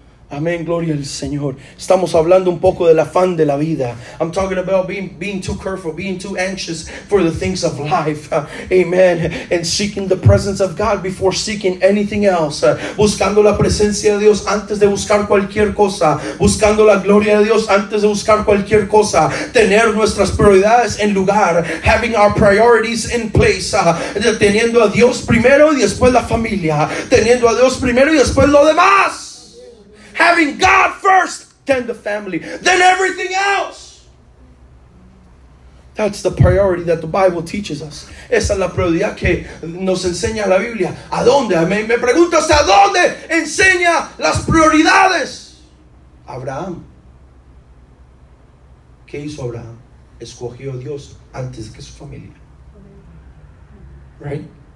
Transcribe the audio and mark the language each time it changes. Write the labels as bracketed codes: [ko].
[es] Amén, gloria al Señor. Estamos hablando un poco del afán de la vida. [en] I'm talking about being too careful, being too anxious for the things of life. Amen. And seeking the presence of God before seeking anything else. [es] Buscando la presencia de Dios antes de buscar cualquier cosa. Buscando la gloria de Dios antes de buscar cualquier cosa. Tener nuestras prioridades en lugar. [en] Having our priorities in place. [es] Teniendo a Dios primero y después la familia. Teniendo a Dios primero y después lo demás. [en] Having God first, then the family, then everything else. That's the priority that the Bible teaches us. [es] Esa es la prioridad que nos enseña la Biblia. ¿A dónde? Me preguntas, ¿a dónde enseña las prioridades? Abraham. ¿Qué hizo Abraham? Escogió a Dios antes que su familia. Right?